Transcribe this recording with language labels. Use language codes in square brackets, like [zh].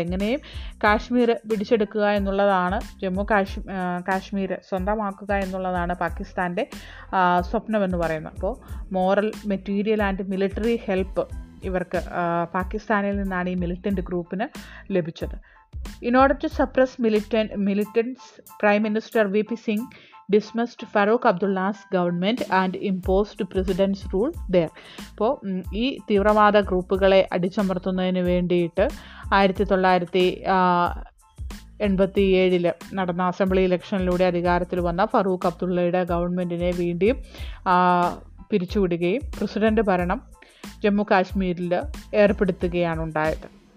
[ml] എങ്ങനെയും കാശ്മീർ പിടിച്ചെടുക്കുക എന്നുള്ളതാണ്, ജമ്മു കാശ്മീർ സ്വന്തമാക്കുക എന്നുള്ളതാണ് പാകിസ്ഥാൻ്റെ സ്വപ്നമെന്ന് പറയുന്നത്. അപ്പോൾ [en] moral, material and military help [ml] ഇവർക്ക് പാകിസ്ഥാനിൽ നിന്നാണ് ഈ മിലിറ്റൻ്റ് ഗ്രൂപ്പിന് ലഭിച്ചത്. [en] In order to suppress militants, Prime Minister V.P. Singh dismissed Farooq Abdullah's government and imposed president's rule there. [ml] അപ്പോൾ ഈ തീവ്രവാദ ഗ്രൂപ്പുകളെ അടിച്ചമർത്തുന്നതിന് വേണ്ടിയിട്ട് 1987 നടന്ന അസംബ്ലി ഇലക്ഷനിലൂടെ അധികാരത്തിൽ വന്ന ഫറൂഖ് അബ്ദുള്ളയുടെ ഗവൺമെൻറ്റിനെ വീണ്ടും പിരിച്ചുവിടുകയും പ്രസിഡൻ്റ് ഭരണം ജമ്മുകാശ്മീരിൽ ഏർപ്പെടുത്തുകയാണ് ഉണ്ടായത്.